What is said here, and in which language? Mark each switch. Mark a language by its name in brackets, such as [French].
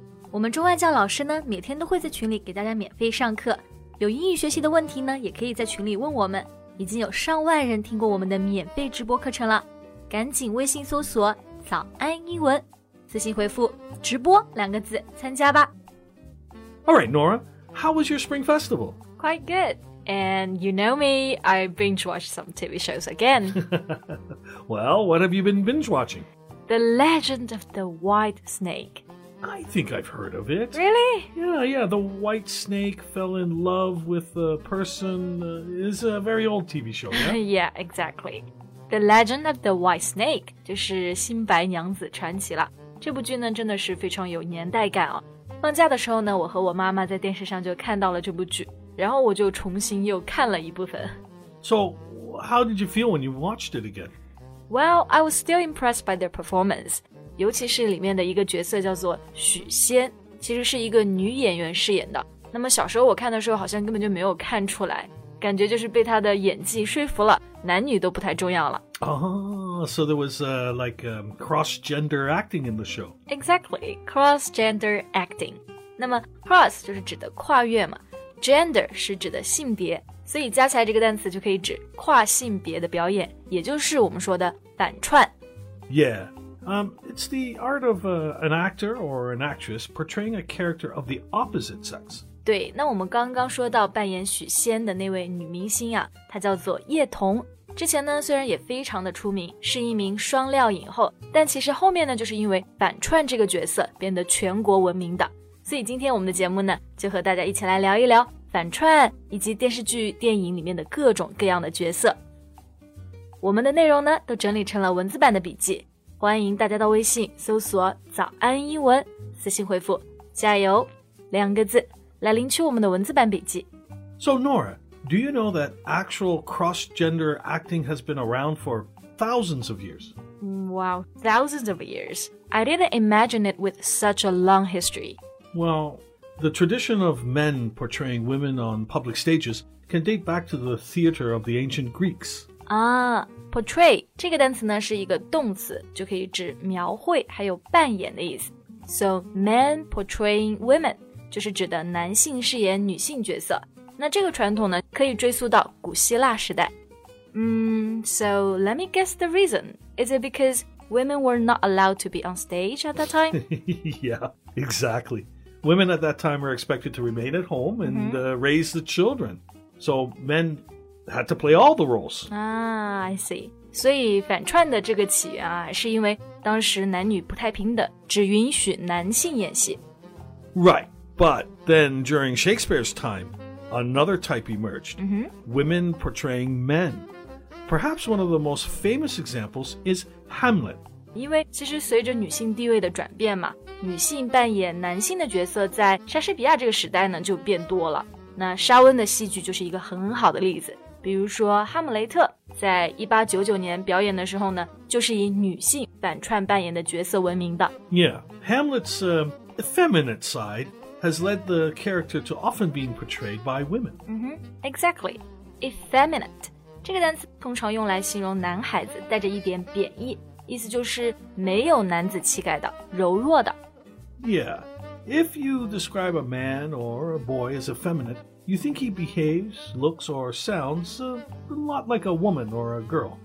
[Chinese] 我们中外教老师呢，每天都会在群里给大家免费上课。有英语学习的问题呢，也可以在群里问我们。已经有上万人听过我们的免费直播课程了，赶紧微信搜索早安英文，私信回复直播两个字参加吧。 [English] All right, Nora, how was your spring festival? Quite good. And you know me, I binge-watch some TV shows again. Well, what have you been binge-watching? The Legend of the White Snake. I think I've heard of it. Really? Yeah, the White Snake fell in love with a person. It's a very old TV show, yeah? Yeah, exactly. [Chinese] The Legend of the White Snake 就是新白娘子传奇了。这部剧呢真的是非常有年代感哦。放假的时候呢，我和我妈妈在电视上就看到了这部剧，然后我就重新又看了一部分。 [English] So, how did you feel when you watched it again? Well, I was still impressed by their performance. [Chinese] 尤其是里面的一个角色叫做许仙，其实是一个女演员饰演的。那么小时候我看的时候好像根本就没有看出来，感觉就是被她的演技说服了，男女都不太重要了。 [English] Oh, so there was cross-gender acting in the show. Exactly, cross-gender acting. [Chinese] 那么 cross 就是指的跨越嘛， gender 是指的性别，所以加起来这个单词就可以指跨性别的表演，也就是我们说的反串。 [English] Yeah, it's the art of an actor or an actress portraying a character of the opposite sex. [Chinese] 对，那我们刚刚说到扮演许仙的那位女明星啊，她叫做叶童。之前呢虽然也非常的出名，是一名双料影后，但其实后面呢就是因为反串这个角色变得全国闻名的。所以今天我们的节目呢就和大家一起来聊一聊反串以及电视剧电影里面的各种各样的角色。我们的内容呢都整理成了文字版的笔记，欢迎大家到微信搜索早安英文，私信回复加油两个字来领取我们的文字版笔记。 [English] So Nora, do you know that actual cross-gender acting has been around for thousands of years? Wow, thousands of years. I didn't imagine it with such a long history. Well, the tradition of men portraying women on public stages can date back to the theater of the ancient Greeks. [Chinese] Portray, 这个单词呢是一个动词，就可以指描绘还有扮演的意思。 [English] So, men portraying women. [Chinese] 就是指的男性饰演女性角色。那这个传统呢可以追溯到古希腊时代。 [English] So let me guess the reason. Is it because women were not allowed to be on stage at that time? Yeah, exactly. Women at that time were expected to remain at home and raise the children. So men had to play all the roles. I see. [Chinese] 所以反串的这个起源啊，是因为当时男女不太平等，只允许男性演戏。 [English] Right. But then during Shakespeare's time, another type emerged, women portraying men. Perhaps one of the most famous examples is Hamlet. [Chinese] 因为其实随着女性地位的转变嘛，女性扮演男性的角色在莎士比亚这个时代呢就变多了。那莎翁的戏剧就是一个很好的例子。比如说哈姆雷特在1899年表演的时候呢，就是以女性反串扮演的角色闻名的。 [English] Yeah, Hamlet's effeminate side... has led the character to often being portrayed by women. Exactly. Effeminate. [Chinese] 这个单词通常用来形容男孩子带着一点贬义，意思就是没有男子气概的，柔弱的。 [English] Yeah. If you describe a man or a boy as effeminate, you think he behaves, looks, or sounds a lot like a woman or a girl.